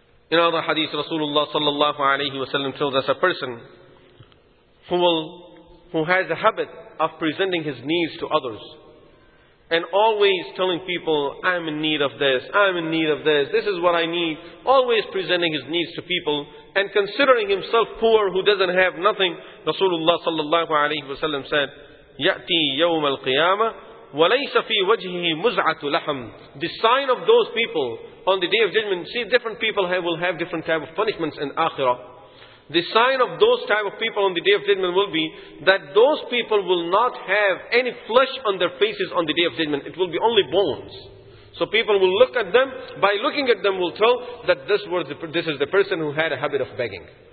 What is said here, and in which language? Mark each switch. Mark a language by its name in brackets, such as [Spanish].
[English] In other hadith, Rasulullah sallallahu alayhi wa sallam tells us a person who has a habit of presenting his needs to others and always telling people, I'm in need of this, I'm in need of this, this is what I need. Always presenting his needs to people and considering himself poor who doesn't have nothing. Rasulullah sallallahu alayhi wa sallam said, [Arabic] يَأْتِي يَوْمَ الْقِيَامَةِ وَلَيْسَ فِي وَجْهِهِ مُزْعَةُ لَحَمٍ. [English] The sign of those people on the Day of Judgment, see, different people will have different type of punishments in Akhirah. The sign of those type of people on the Day of Judgment will be that those people will not have any flesh on their faces on the Day of Judgment. It will be only bones. So people will look at them. By looking at them, will tell that this is the person who had a habit of begging.